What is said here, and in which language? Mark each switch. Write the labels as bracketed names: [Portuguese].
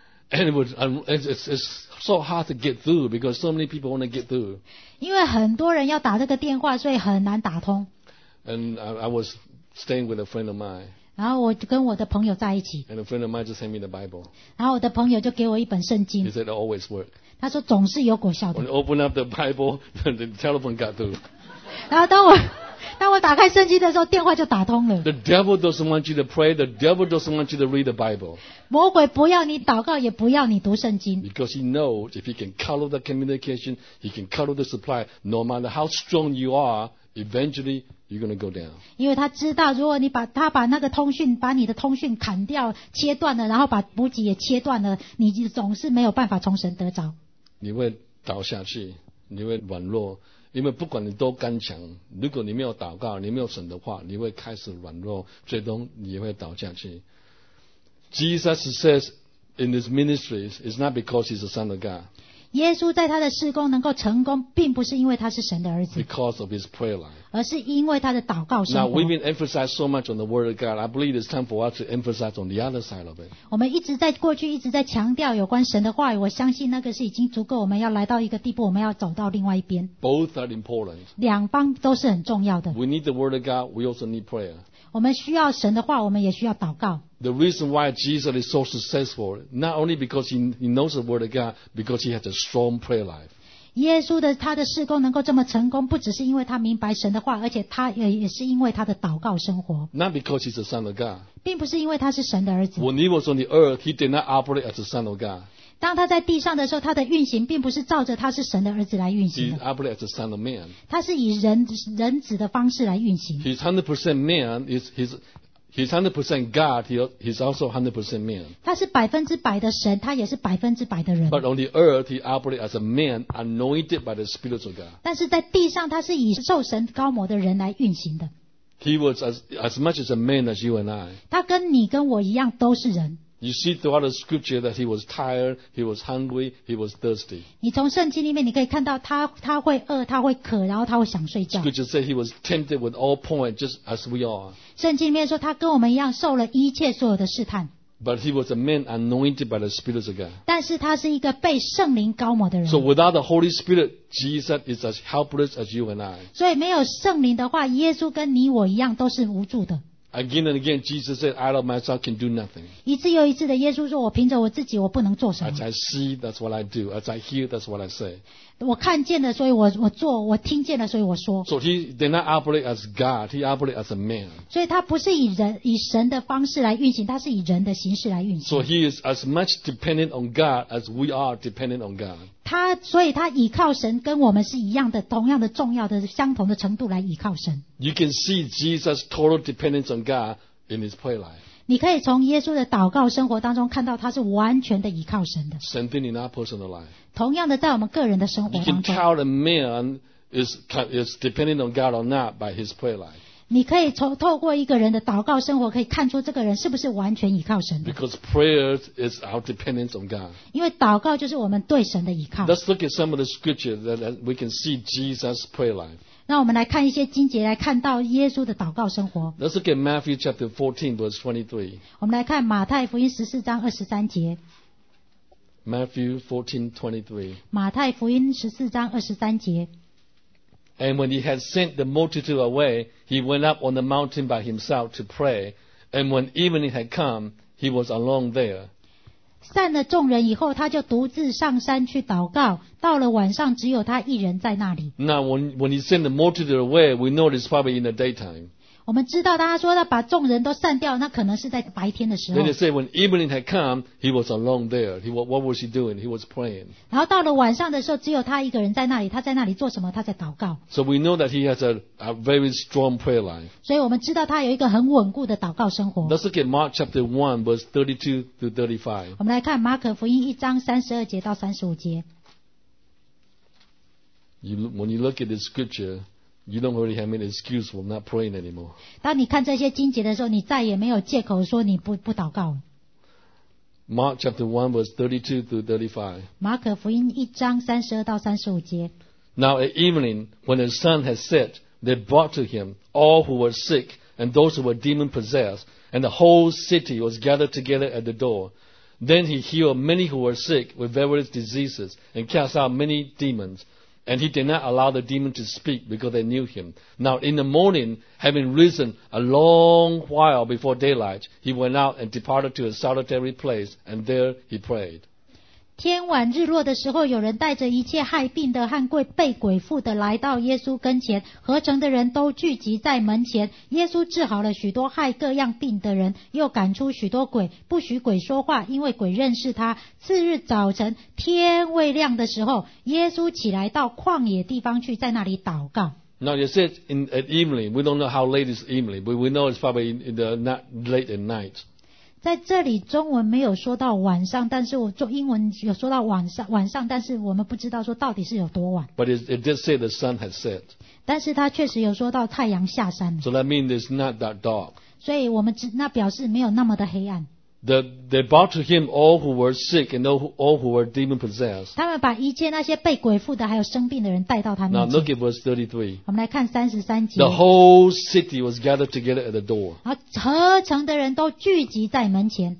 [English] And it was, it's so hard to get through because so many people want to get through. [Chinese] 因为很多人要打这个电话，所以很难打通。 [English] And I was staying with a friend of mine. [Chinese] 然后我跟我的朋友在一起。 [English] And a friend of mine just sent me the Bible. [Chinese] 然后我的朋友就给我一本圣经。 [English] He said it always works. [Chinese] 他说总是有果效的。 [English] When you open up the Bible, the telephone got through. [Chinese] 然后当我打开圣经的时候，电话就打通了。 [English] The devil doesn't want you to pray. The devil doesn't want you to read the Bible. [Chinese] 魔鬼不要你祷告，也不要你读圣经。 [English] Because he knows if he can cut off the communication, he can cut off the supply. No matter how strong you are, eventually. You're gonna go down. [Chinese] 因为他知道，如果他把那个通讯，把你的通讯砍掉、切断了，然后把补给也切断了，你总是没有办法从神得着。你会倒下去，你会软弱，因为不管你多刚强，如果你没有祷告，你没有神的话，你会开始软弱，最终你会倒下去。 [English] Jesus says in his ministry, it's not because he's the Son of God. [Chinese] 耶稣在他的事工能够成功，并不是因为他是神的儿子。 [English] Because of his prayer life. [Chinese] 而是因为他的祷告生活。 [English] Now we've been emphasized so much on the word of God. I believe it's time for us to emphasize on the other side of it. [Chinese] 我们一直在过去一直在强调有关神的话语。我相信那个是已经足够。我们要来到一个地步，我们要走到另外一边。 [English] Both are important. [Chinese] 两方都是很重要的。 [English] We need the word of God. We also need prayer. [Chinese] 我们需要神的话，我们也需要祷告。 [English] The reason why Jesus is so successful, not only because he knows the word of God, because he has a strong prayer life. [Chinese] 耶稣的他的事工能够这么成功，不只是因为他明白神的话，而且他也是因为他的祷告生活。 [English] Not because he's the son of God. [Chinese] 并不是因为他是神的儿子。 [English] When he was on the earth, he did not operate as the son of God. [Chinese] 当他在地上的时候，他的运行并不是照着他是神的儿子来运行的。 [English] He operated as the son of man. [Chinese] 他是以人子的方式来运行。 [English] He's 100% man. He's 100% God. He's also 100% man. [Chinese] 他是百分之百的神，他也是百分之百的人。 [English] But on the earth, he operated as a man anointed by the Spirit of God. [Chinese] 但是在地上，他是以受神膏抹的人来运行的。 [English] He was as much as a man as you and I. [Chinese] 他跟你跟我一样都是人。 [English] You see throughout the scripture that he was tired, he was hungry, he was thirsty. [Chinese] 你从圣经里面你可以看到他会饿，他会渴，然后他会想睡觉。 [English] Scripture said he was tempted with all points, just as we are. [Chinese] 圣经里面说他跟我们一样受了一切所有的试探。 [English] But he was a man anointed by the Spirit of God. [Chinese] 但是他是一个被圣灵膏抹的人。 [English] So without the Holy Spirit, Jesus is as helpless as you and I. [Chinese] 所以没有圣灵的话，耶稣跟你我一样都是无助的。 [English] Again and again, Jesus said, "Out of myself can do nothing." [Chinese] 一次又一次的，耶稣说：“我凭着我自己，我不能做什么。” [English] As I see, that's what I do. As I hear, that's what I say. [Chinese] 我看见了，所以我做；我听见了，所以我说。 [English] So he did not operate as God. He operated as a man. [Chinese] 所以他不是以神的方式来运行，他是以人的形式来运行。 [English] So he is as much dependent on God as we are dependent on God. [Chinese] 他所以他依靠神跟我们是一样的，同样的重要的，相同的程度来依靠神。 [English] You can see Jesus' total dependence on God in his prayer life. [Chinese] 你可以从耶稣的祷告生活当中看到他是完全的依靠神的。 [English] Same thing in our personal life. [Chinese] 同样的，在我们个人的生活当中。 [English] You can tell a man is depending on God or not by his prayer life. [Chinese] 你可以透过一个人的祷告生活，可以看出这个人是不是完全依靠神的。 [English] Because prayer is our dependence on God. [Chinese] 因为祷告就是我们对神的依靠。 [English] Let's look at some of the scriptures that we can see Jesus' prayer life. [Chinese] 让我们来看一些经节，来看到耶稣的祷告生活。 [English] Let's look at Matthew chapter 14, verse 23. [Chinese] 我们来看马太福音十四章二十三节。 [English] Matthew 14:23. [Chinese] 马太福音十四章二十三节。 [English] And when he had sent the multitude away, he went up on the mountain by himself to pray. And when evening had come, he was alone there. [Chinese] 散了众人以后，他就独自上山去祷告。到了晚上，只有他一人在那里。那 [English] when he sent the multitude away, we know it's probably in the daytime. [Chinese] 我们知道，当他说他把众人都散掉，那可能是在白天的时候。 [English] Then they say when evening had come, he was alone there. What was he doing? He was praying. [Chinese] 然后到了晚上的时候，只有他一个人在那里。他在那里做什么？他在祷告。 [English] So we know that he has a very strong prayer life. [Chinese] 所以我们知道他有一个很稳固的祷告生活。 [English] Let's look at Mark chapter 1, verse 32-35. [Chinese] 我们来看马可福音一章三十二节到三十五节。 [English] When you look at the scripture,You don't really have an excuse for not praying anymore. [Chinese] 当你看这些经节的时候，你再也没有借口说你不祷告。 [English] Mark chapter 1 verse 32-35. [Chinese] 马可福音一章三十二到三十五节。 [English] Now at evening, when the sun had set, they brought to him all who were sick and those who were demon possessed, and the whole city was gathered together at the door. Then he healed many who were sick with various diseases and cast out many demons. And he did not allow the demon to speak because they knew him. Now in the morning, having risen a long while before daylight, he went out and departed to a solitary place, and there he prayed. [Chinese] 天晚日落的时候，有人带着一切害病的和鬼被鬼附的来到耶稣跟前，合成的人都聚集在门前。耶稣治好了许多害各样病的人，又赶出许多鬼，不许鬼说话，因为鬼认识他。次日早晨天未亮的时候，耶稣起来到旷野地方去，在那里祷告。 [English] Now you said in at evening, we don't know how late is evening, but we know it's probably in the not late at night. [Chinese] 在这里中文没有说到晚上，但是我做英文有说到晚上，但是我们不知道说到底是有多晚。 [English] But it did say the sun had set. [Chinese] 但是它确实有说到太阳下山。 [English] So that means it's not that dark. [Chinese] 所以我们那表示没有那么的黑暗。 [English] They brought to him all who were sick and all who were demon possessed. [Chinese] 他们把一切那些被鬼附的还有生病的人带到他面前。 [English] Now look at verse 33. [Chinese] 我们来看33节。 [English] The whole city was gathered together at the door. [Chinese] 合成的人都聚集在门前。